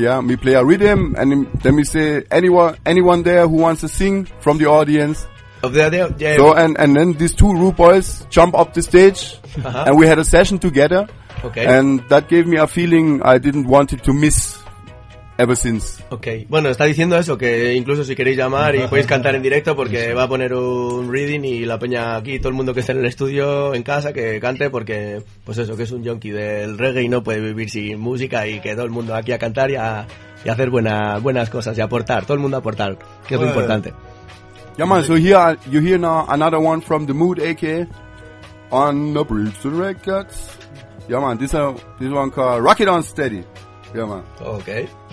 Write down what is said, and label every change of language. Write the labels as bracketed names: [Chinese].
[English] Yeah, we play a rhythm, and then we say anyone there who wants to sing from the audience. Of there. So and then these two Rude Boys jump up the stage, and we had a session together. Okay. And that gave me a feeling I didn't want it to miss. Ever since. Okay. [Spanish] Bueno, está diciendo eso, que incluso si queréis llamar y podéis cantar en directo, porque va a poner un reading y la peña aquí, todo el mundo que esté en el estudio, en casa, que cante, porque, pues eso, que es un junkie del reggae y no puede vivir sin música y que todo el mundo aquí a cantar y a hacer buenas cosas y aportar, todo el mundo aportar, que es lo importante. [English] Yeah, man, so here, you hear now another one from The Mood, aka, on the Brixton Records. Yeah, man, this one called Rock It On Steady. Yeah, man. Okay.